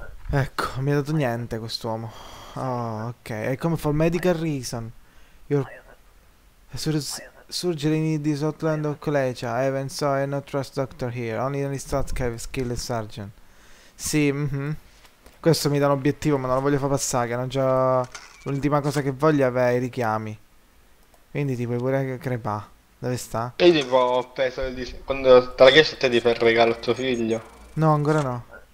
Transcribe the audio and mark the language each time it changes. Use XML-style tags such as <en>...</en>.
<it>Ecco, mi ha dato niente quest'uomo.</it> <en>Oh, ok. E come for medical reason. Surgery in the Southland of Kalecha. Even so, I no trust doctor here. Only in the start have skilled surgeon.</en> <it>Sì, Questo mi dà un obiettivo, ma non lo voglio far passare, che non c'ho. L'ultima cosa che voglio è avere i richiami. Quindi ti puoi pure crepare. Dove sta? No, E tipo ho preso il disegno. Quando te l'ha chiesto te di fare il regalo a tuo figlio. ancora no.</it>